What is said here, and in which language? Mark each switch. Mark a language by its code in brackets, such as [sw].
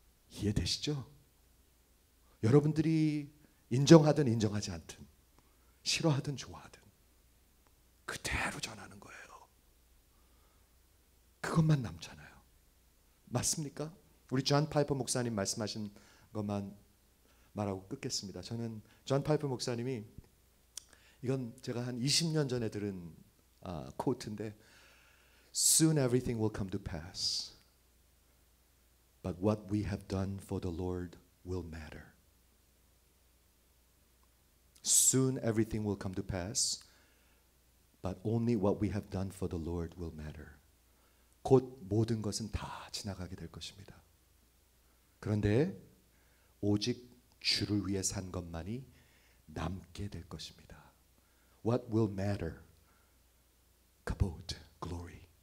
[ko] 이해되시죠? 여러분들이 인정하든 인정하지 않든 싫어하든 좋아하든 그대로 전하는 거예요. 그것만 남잖아요. 맞습니까? 우리 존 파이퍼 목사님 말씀하신 것만 말하고 끊겠습니다. 저는 존 파이퍼 목사님이, 이건 제가 한 20년 전에 들은 코트인데, [en] Soon everything will come to pass, but what we have done for the Lord will matter. Soon everything will come to pass, but only what we have done for the Lord will matter. [ko] 곧 모든 것은 다 지나가게 될 것입니다. 그런데 오직 주를 위해 산 것만이 남게 될 것입니다. [en] What will matter? Kabod, glory.